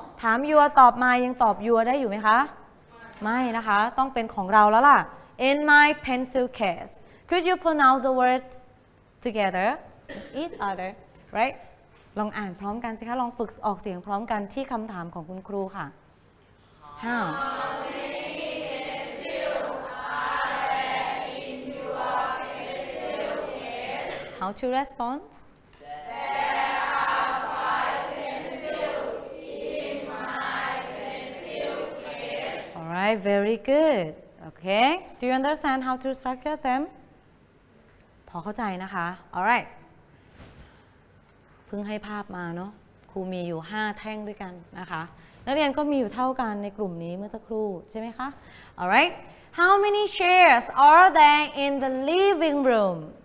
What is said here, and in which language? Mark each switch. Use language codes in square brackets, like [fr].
[th] ถาม you ตอบ my ยังตอบ your ได้อยู่ไหมคะไม่นะคะต้องเป็นของเราแล้วล่ะ [en] In my pencil case Could you pronounce the words together each other right [th] ลองอ่านพร้อมกันสิคะลองฝึกออกเสียงพร้อมกันที่คำถามของคุณครูค่ะ [en] How many pencil are there in your pencil case How to respondRight, very good. Okay. Do you understand how to structure them? [th] พอเข้าใจนะคะ [en] Alright. [th] เพิ่งให้ภาพมาเนาะครูมีอยู่5แท่งด้วยกันนะคะนักเรียนก็มีอยู่เท่ากันในกลุ่มนี้เมื่อสักครู่ใช่ไหมคะ Alright. [en] How many chairs are there in the living room?